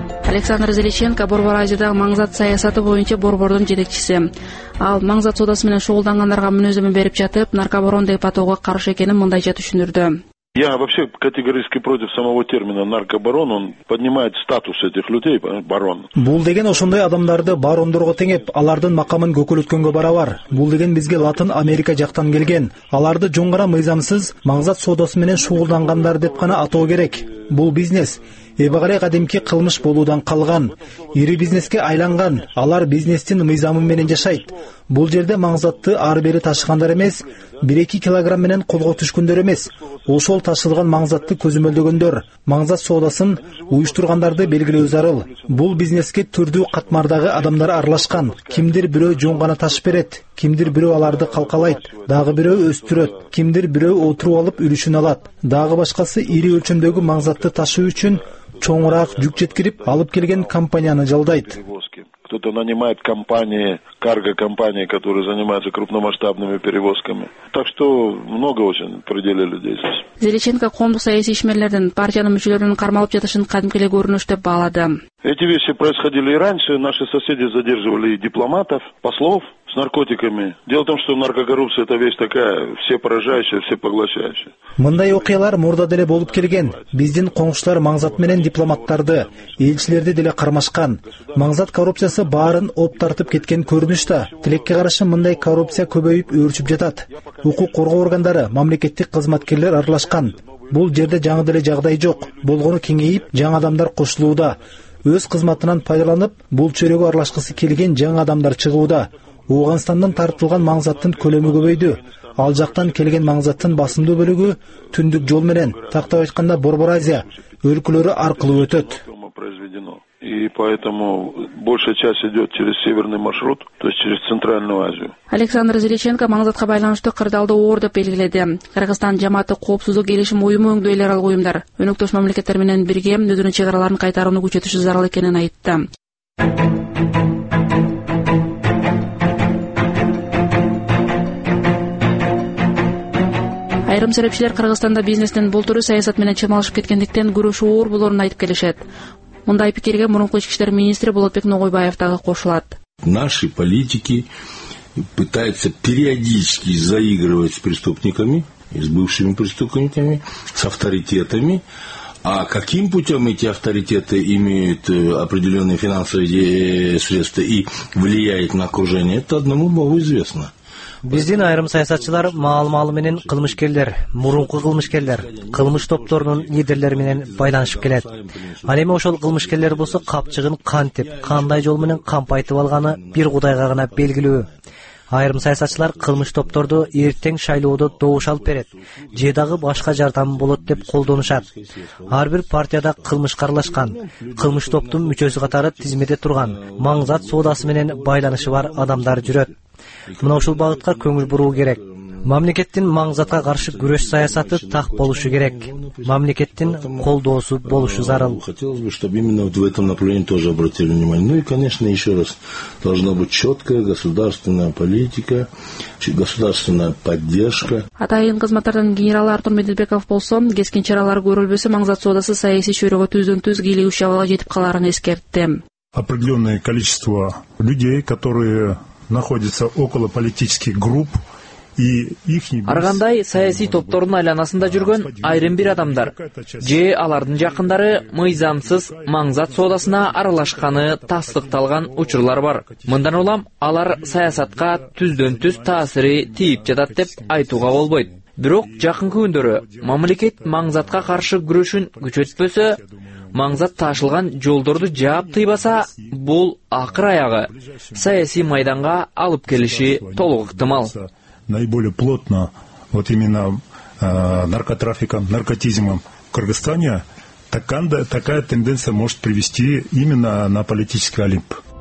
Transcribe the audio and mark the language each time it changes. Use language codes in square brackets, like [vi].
[ky] Александр Зеличенко Борбор Азиядагы маңзат саясаты боюнча борбордун жетекчиси. Ал маңзат соодасы менен шугулдангандарга мүнөздөмө берип жатып, наркобарон деп атоого каршы экенин мындайча түшүндүрдү. [ru] Я вообще категорически против самого термина наркобарон, он поднимает статус этих людей, барон. [ky] Бул деген ошондой адамдарды барондорго теңеп, алардын макамын көкөлөткөнгө барабар. Бул деген бизге Латын Америка жактан келген, аларды жоңгора мыйзамсыз маңзат соодасы менен шугулдангандар деп гана атоо керек. Бул бизнес эбе карай кадимки кылмыш болуудан калган, ири бизнеске айланган. Алар бизнестин мыйзамы менен жашайт. Бул жерде маңзатты ар бери ташыгандар эмес, 1-2 килограмм менен колго түшкөндөр эмес, ошол ташылган маңзатты көзөмөлдөгөндөр. Маңзат соодасын уюштургандарды белгилөө зарыл. Бул бизнеске түрдүү катмардагы адамдар аралашкан. Кимдир бирөө жөн гана ташып берет, кимдир бирөө аларды калкалайт, дагы бирөө өстүрөт, кимдир бирөө отуруп алып үлүшүн алат. Дагы башкасы ири өлчөмдөгү маңзатты ташуу үчүн чоңураак жүк жеткирип алып келген компанияны жалдайт. [ru] Кто-то нанимает компании, карго-компании, которые занимаются крупномасштабными перевозками. Так что много очень пределе людей здесь. [ky] Зеличенко коомдук саясий ишмерлердин партиянын мүчөлөрүн кармалып жатышын кадимки эле көрүнүш деп баалады. [ru] Эти вещи происходили и раньше. Наши соседи задерживали и дипломатов, послов с наркотиками. Дело в том, что наркокоррупция это вещь такая, все поражающая, все поглощающая. [ky] Мындай окуялар мурда деле болуп келген. Биздин коңшулар маңзат менен дипломаттарды, элчилерди деле кармашкан. Маңзат коррупциясы баарын оп тартып кеткен көрүнүш да. Тилекке каршы мындай коррупция көбөйүп өрчүп жатат. Укук коргоо органдары, мамлекеттик кызматкерлер аралашкан. Бул жерде жаңы деле жагдай жок. Болгону кеңейип, жаң адамдар кошулууда. Өз кызматынан пайдаланып, бул чөйрөгө аралашкысы келген жаң адамдар чыгууда. Ооганстандан тартылган маңзаттын көлөмү көбөйдү. Ал жактан келген маңзаттын басымдуу бөлүгү түндүк жол менен, тактап айтканда Борбор Азия өлкөлөрү аркылуу өтөт. [ru] И поэтому большая часть идет через северный маршрут, то есть через Центральную Азию. [ky] Александр Зеличенко маңзатка байланыштуу кырдаалды оор деп белгиледи. Кыргызстан жамааты коопсуздук келишим уюму өңдөө эл аралык уюмдар өнөктөш мамлекеттер менен бирге өзүнүн чек араларын кайтарууну күчөтүшү зарыл экенин айтты. Айрым серепчилер Кыргызстанда бизнестин бултуру саясат менен чымалышып кеткендиктен күрөшү оор болорун айтып келишет. Мындай пикирге мурунку ички иштер министри Болотбек Ногойбаев дагы кошулат. [ru] Наши политики пытаются периодически заигрывать с преступниками, с бывшими преступниками, с авторитетами. А каким путем эти авторитеты имеют определенные финансовые средства и влияют на окружение, это одному Богу известно. [ky] Биздин айрым саясатчылар маал-маалы менен кылмышкерлер, мурунку кылмышкерлер, кылмыш топторунун лидерлери менен байланышып келет. Ал эми ошол кылмышкерлер болсо капчыгын кантип, кандай жол менен кампайтып алганы бир кудайга гана белгилүү. Айрым саясатчылар кылмыш топторду эртең шайлоодо добуш алып берет же дагы башка жардам болот деп колдонушат. Ар бир партияда кылмышка аралашкан, кылмыш топтун мүчөсү катары тизмеде турган, маңзат соодасы менен байланышы бар адамдар жүрөт. Мына ушул багытка көңүл буруу керек. Мамлекеттин маңзатка каршы күрөш саясаты так болушу керек. Мамлекеттин колдоосу болушу зарыл. [ru] Хотелось бы, чтобы именно в этом направлении тоже обратили внимание. Ну и, конечно, еще раз, должна быть четкая государственная политика, государственная поддержка. [ky] Атайын кызматтардан генерал Артур Меделбеков болсо, кескин чаралар көрүлбөсө маңзат соодасы саясий чөйрөгө түздөн-түз кийлигүүчү абалга жетип каларын эскертти. [ru] Определенное количество людей, которые находится около политических групп и их не [ky] ар кандай саясий топтордун айланасында жүргөн айрым бир адамдар же алардын жакындары мыйзамсыз маңзат соодасына аралашканы тастыкталган учурлар бар. Мындан улам алар саясатка түздөн-түз таасири тийип жатат деп айтууга болбойт. Бирок жакынкы күндөрү мамлекет маңзатка каршы күрөшүн күчөтпөсө, маңзат ташылган жолдорду жаап тыйбаса, бул акыр аягы саясий майданга алып келиши толук ыктымал. [ru] Наиболее плотно вот именно наркотрафиком, наркотизмом в Кыргызстане такая тенденция может привести именно на политический олимп.